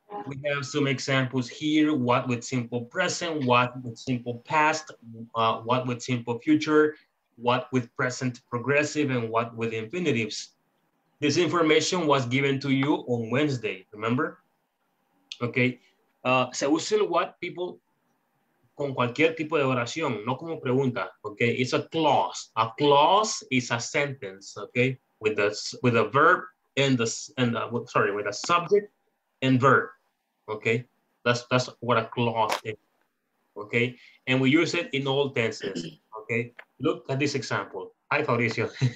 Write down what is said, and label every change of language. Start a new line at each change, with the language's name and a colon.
English: We have some examples here, what with simple present, what with simple past, what with simple future, what with present progressive, and what with infinitives. This information was given to you on Wednesday, remember? Okay,
Spanish: se usa el what,
English: people?
Spanish: con cualquier tipo de oración, no como pregunta, okay?
English: It's a clause. A clause is a sentence, okay? With a verb with a subject and verb, okay? That's what a clause is, okay? And we use it in all tenses, okay? Look at this example. Hi, Fabricio.